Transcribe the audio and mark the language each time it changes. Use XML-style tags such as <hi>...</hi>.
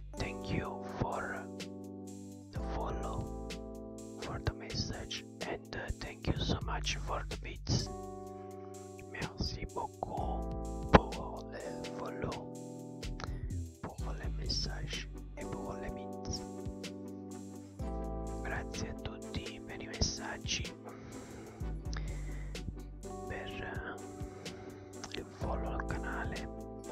<en>Thank you for the follow, for the message, and thank you so much for the bits.</en> <fr>Merci beaucoup pour le follow, pour le message et pour le bits.</fr> <it>Grazie a tutti per i messaggi, per il follow al canale.</it>